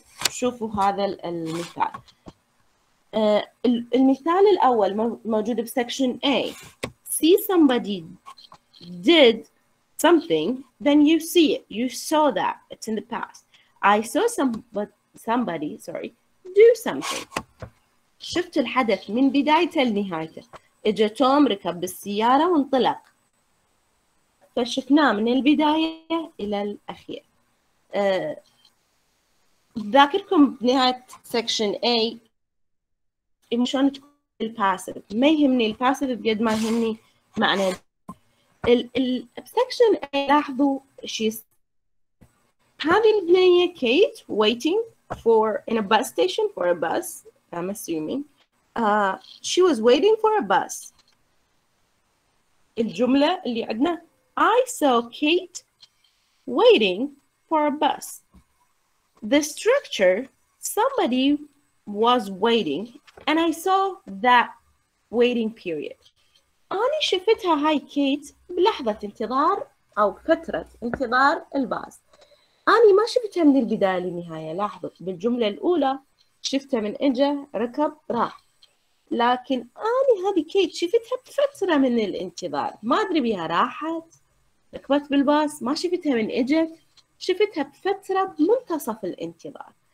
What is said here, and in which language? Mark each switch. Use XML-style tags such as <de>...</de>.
<ar>شوفوا هذا المثال. المثال الأول موجود بسكشن A.</ar> <en>See somebody did something, then you see it. You saw that. It's in the past. I saw somebody do something.</en> <ar>شفت الحدث من بدايته لنهايته. إجا توم ركب بالسيارة وانطلق، فشفناه من البداية إلى الأخير. ذاكركم بنهاية سكشن A شلون تكون الباسيف، ما يهمني الباسيف بقد ما يهمني معنى بسكشن A. لاحظوا شيء، هذه البنية</ar> <en>Kate waiting for in a bus station for a bus I'm assuming. She was waiting for a bus.</en> <ar>الجملة اللي عندنا</ar> <en>I saw Kate waiting for a bus. The structure, somebody was waiting, and I saw that waiting period.</en> <ar>أنا شفتها هاي كيت بلحظة انتظار أو فترة انتظار الباص. أنا ما شفتها من البداية للنهاية، لاحظة بالجملة الأولى شفتها من إجا ركب راح. لكن أنا هذه كيت شفتها بفترة من الانتظار، ما أدري بيها راحت، ركبت بالباص، ما شفتها من إجا، شفتها بفترة منتصف الانتظار.</ar>